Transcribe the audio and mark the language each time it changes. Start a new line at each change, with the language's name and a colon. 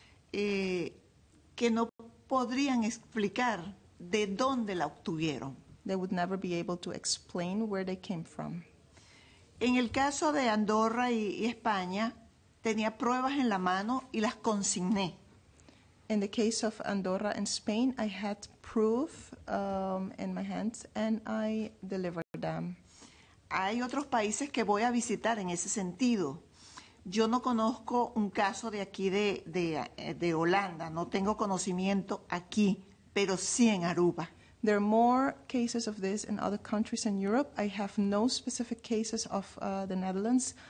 Spanish: Que no podrían explicar de dónde la obtuvieron.
English: They would never be able to explain where they came from.
Spanish: En el caso de Andorra y España, tenía pruebas en la mano y las consigné.
English: In the case of Andorra and Spain, I had proof in my hands and I delivered them.
Spanish: Hay otros países que voy a visitar en ese sentido. Yo no conozco un caso de aquí de Holanda, no tengo conocimiento aquí, pero sí en Aruba.
English: There are more cases of this in other countries in Europe. I have no specific cases of the Netherlands.